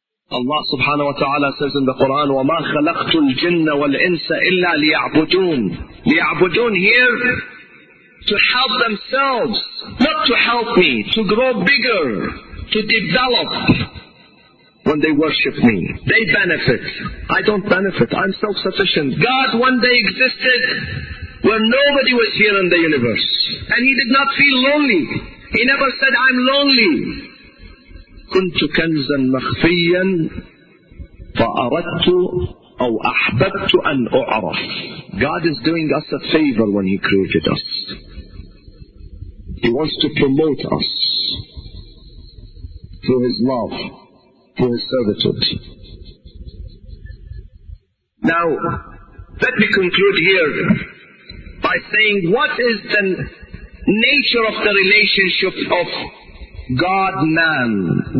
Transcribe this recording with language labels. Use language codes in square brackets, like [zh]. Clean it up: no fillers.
[en] Allah subhanahu wa ta'ala says in the Quran, [ar] وَمَا خَلَقْتُ الْجِنَّ وَالْإِنسَ إِلَّا لِيَعْبُدُونَ لِيَعْبُدُونَ [en] here, to help themselves, not to help me, to grow bigger, to develop. When they worship me, they benefit. I don't benefit. I'm self-sufficient. God, one day existed where nobody was here in the universe. And He did not feel lonely. He never said, I'm lonely. [ar] كنت كنزا مخفيا فأردت أو أحببت أن أعرف. [en] God is doing us a favor when He created us. He wants to promote us through His love, through His servitude. Now, let me conclude here by saying, what is the nature of the relationship of God-man?